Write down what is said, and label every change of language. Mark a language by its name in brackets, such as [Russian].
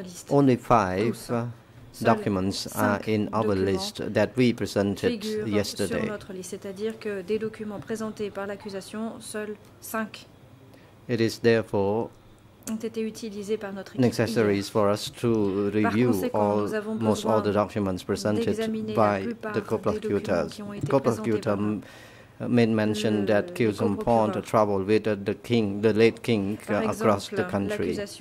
[English] Only five documents are in our list that we presented yesterday. [French] C'est-à-dire que des documents présentés par l'accusation, seuls cinq. [English] It is therefore [French] ont été utilisés par notre [English] necessary for us to review all, most all the documents presented by the co-prosecutors. The co-prosecutor made mention that Cossampan traveled with the king, the late king, across the country.